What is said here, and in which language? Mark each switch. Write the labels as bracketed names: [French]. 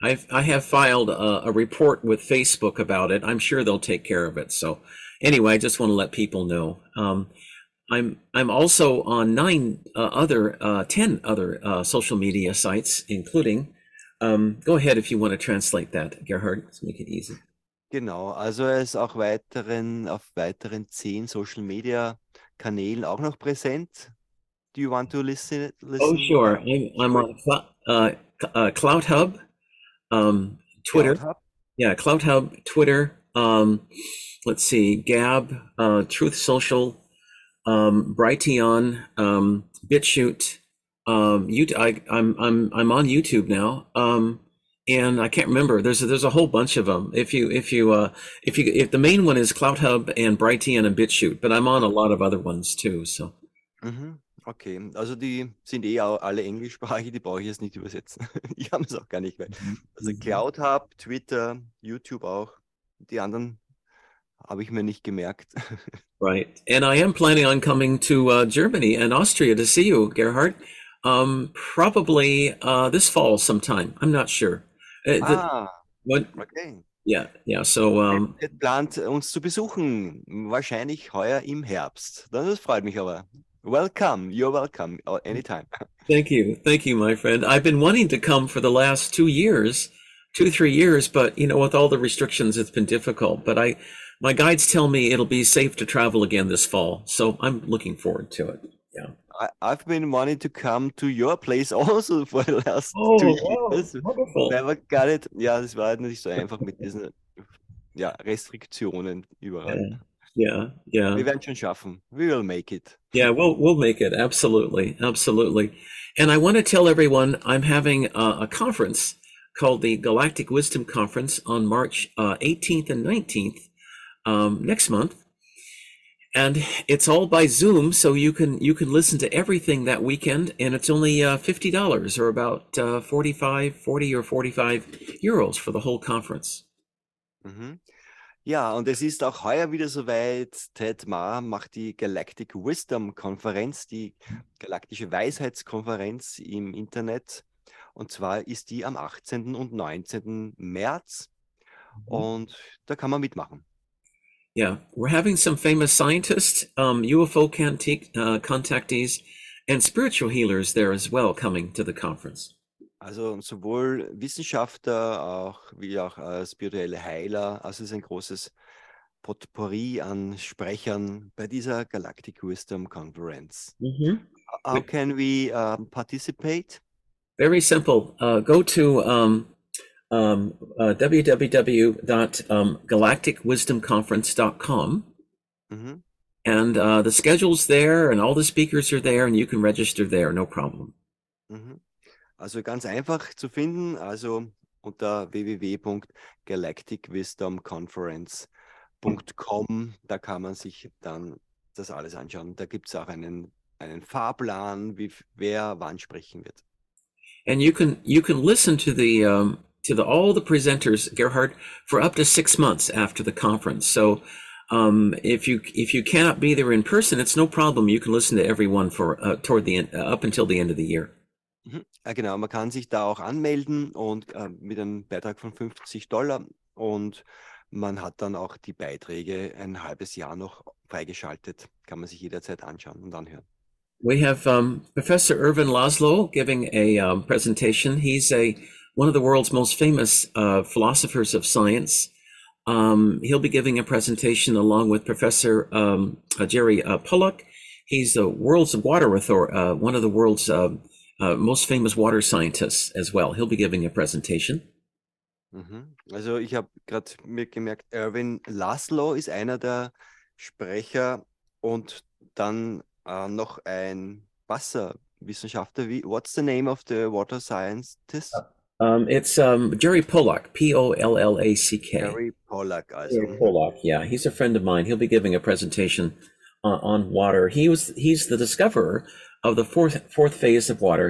[English] I have filed a report with Facebook about it. I'm sure they'll take care of it. So anyway, I just want to let people know. I'm also on nine other 10 other social media sites, including go ahead if you want to translate that, Gerhard, to make it easy. [German] Genau, also er ist auch auf weiteren 10 Social Media Kanälen auch noch präsent. [English] Do you want to Oh, listen? sure. I'm on Cloud Hub, Twitter. CloudHub. Yeah, Cloud Hub, Twitter. Let's see, Gab, Truth Social, Brighteon, BitChute. I'm on YouTube now, and I can't remember. There's a whole bunch of them. If the main one is Cloud Hub and Brighteon and BitChute, but I'm on a lot of other ones too. So. [German] Okay, also die sind eh alle englischsprachig, die brauche ich jetzt nicht übersetzen. Ich habe es auch gar nicht mehr. Also Cloud Hub, Twitter, YouTube auch. Die anderen habe ich mir nicht gemerkt. [English] Right. And I am planning on coming to Germany and Austria to see you, Gerhard. Probably this fall sometime. I'm not sure. Ah, okay. [German] Ja, plant uns zu besuchen, wahrscheinlich heuer im Herbst. Das freut mich aber. [English] Welcome, you're welcome, anytime. thank you, my friend. I've been wanting to come for the last 2 years, 2, 3 years, but you know, with all the restrictions, it's been difficult. But my guides tell me it'll be safe to travel again this fall, so I'm looking forward to it. Yeah. I've been wanting to come to your place also for the last 2 years. Oh, Never got it. [German] Ja, das war nicht so einfach mit diesen ja, Restriktionen überall. [English] wonderful. [German] Wir werden schon schaffen. [English] We will make it. Yeah, we'll make it. Absolutely. Absolutely. And I want to tell everyone I'm having a conference called the Galactic Wisdom Conference on March 18th and 19th, next month. And it's all by Zoom, so you can listen to everything that weekend, and it's only $50 or about 40 or 45 euros for the whole conference. [German] Ja, und es ist auch heuer wieder soweit. Ted Ma macht die Galactic Wisdom Konferenz, die galaktische Weisheitskonferenz im Internet. Und zwar ist die am 18. und 19. März. Und da kann man mitmachen. [English] Yeah, we're having some famous scientists, UFO contactees, and spiritual healers there as well coming to the conference. [German] Also sowohl Wissenschaftler auch wie auch spirituelle Heiler, also es ist ein großes Potpourri an Sprechern bei dieser Galactic Wisdom Conference. [English] How can we participate? Very simple. Go to www.galacticwisdomconference.com, and the schedule's there, and all the speakers are there, and you can register there, no problem. [German] Also ganz einfach zu finden, also unter www.galacticwisdomconference.com, da kann man sich dann das alles anschauen. Da gibt es auch einen Fahrplan, wie wer wann sprechen wird. [English] And you can listen to the to the all the presenters, Gerhard, for up to 6 months after the conference. So if you cannot be there in person, it's no problem. You can listen to everyone for toward the end, up until the end of the year. [German] Ja, genau, man kann sich da auch anmelden und mit einem Beitrag von $50 und man hat dann auch die Beiträge ein halbes Jahr noch freigeschaltet. Kann man sich jederzeit anschauen und anhören. [English] We have Professor Irvin Laszlo giving a presentation. He's a one of the world's most famous philosophers of science. He'll be giving a presentation along with Professor Jerry Pollack. He's the world's water author, one of the world's most famous water scientists as well. He'll be giving a presentation. [German] Also ich habe gerade mir gemerkt, Erwin Laszlo ist einer der Sprecher und dann noch ein Wasserwissenschaftler. [English] Wie, what's the name of the water scientist? It's Jerry Pollack, Pollack. Gary Pollack, Jerry [German] also. [English] Pollack, yeah, he's a friend of mine. He'll be giving a presentation on water. He's the discoverer of the fourth phase of water.